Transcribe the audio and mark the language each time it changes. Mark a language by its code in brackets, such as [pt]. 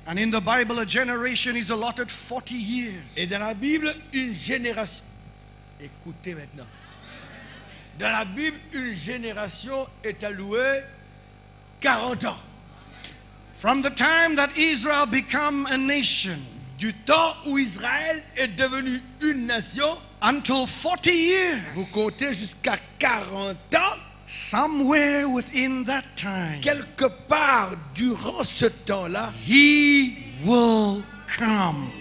[en] And in the Bible, a generation is allotted 40 years. [fr] Et dans la Bible, une génération. Écoutez maintenant. Dans la Bible, une génération est allouée 40 ans. [en] From the time that Israel became a nation. [fr] Du temps où Israël est devenu une nation. [en] Until 40 years. [fr] Vous comptez jusqu'à 40 ans. [en] Somewhere within that time, [fr] quelque part durant ce temps-là, [en] He will come.